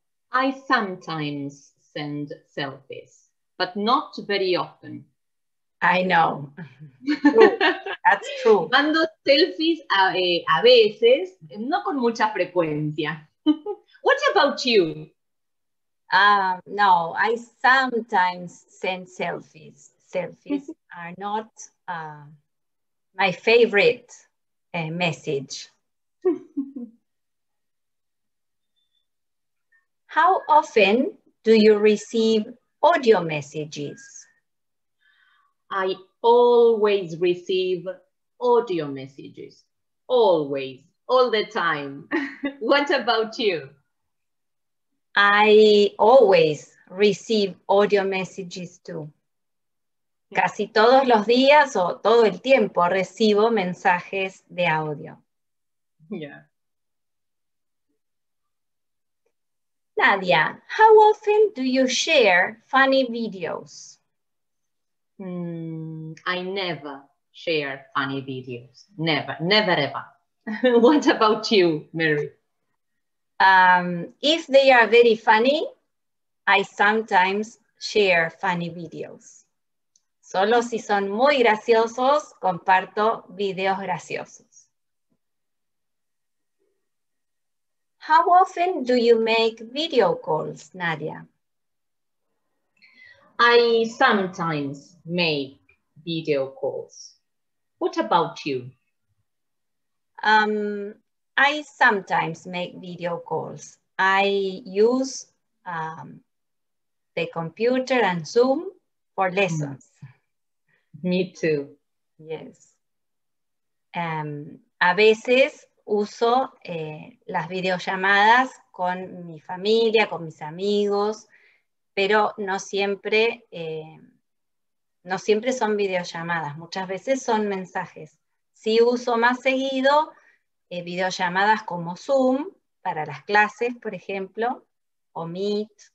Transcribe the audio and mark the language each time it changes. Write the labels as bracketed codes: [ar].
[en] I sometimes send selfies, but not very often. I know. That's true. [es] Mando selfies a veces, no con mucha frecuencia. [en] What about you? No, I sometimes send selfies. Selfies are not my favorite message. How often do you receive audio messages? I always receive audio messages. Always, all the time. What about you? I always receive audio messages too. [es] Casi todos los días o todo el tiempo recibo mensajes de audio. [en] Yeah. Nadia, how often do you share funny videos? I never share funny videos. Never, never ever. What about you, Mary? If they are very funny, I sometimes share funny videos. [es] Solo si son muy graciosos, comparto videos graciosos. [en] How often do you make video calls, Nadia? I sometimes make video calls. What about you? I sometimes make video calls. I use the computer and Zoom for lessons. Me too. Yes. [es] A veces uso las videollamadas con mi familia, con mis amigos, pero no siempre son videollamadas. Muchas veces son mensajes. Sí uso más seguido videollamadas como Zoom para las clases, por ejemplo, o Meet.